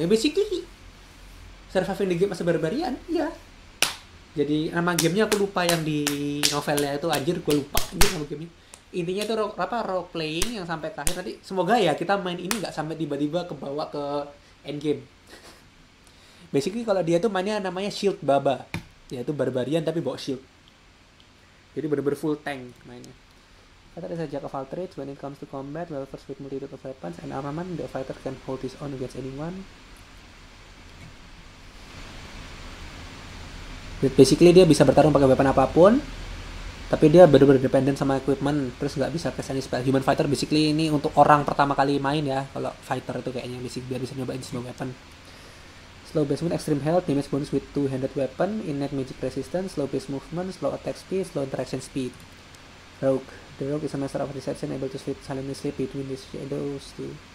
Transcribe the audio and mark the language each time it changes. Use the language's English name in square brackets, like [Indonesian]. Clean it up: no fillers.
[English] Ya basically surviving the game as barbarian, ya. [Indonesian] Jadi nama gamenya aku lupa, yang di novelnya itu anjir gue lupa anjir nama gamenya. Intinya itu role playing yang sampai terakhir nanti. Semoga ya kita main ini nggak sampai tiba-tiba kebawa ke end game. Basically kalau dia tuh mainnya namanya Shield Baba, dia itu barbarian tapi bawa shield. Jadi bener-bener full tank mainnya. Kata dia [English] sejak of all trades when it comes to combat, level first with multitude of weapons and armament, the fighter can hold his own against anyone. [Indonesian] Basically dia bisa bertarung pakai weapon apapun, tapi dia benar-benar dependent sama equipment, terus nggak bisa [English] cast any spell. [Indonesian] Human fighter basically ini untuk orang pertama kali main ya, kalau fighter itu kayaknya basic biar bisa nyobain semua weapon. [English] Slow base movement, extreme health, damage bonus with two handed weapon, innate magic resistance, slow base movement, slow attack speed, slow interaction speed. Rogue, the rogue is a master of deception, able to sleep silently sleep between the shadows too.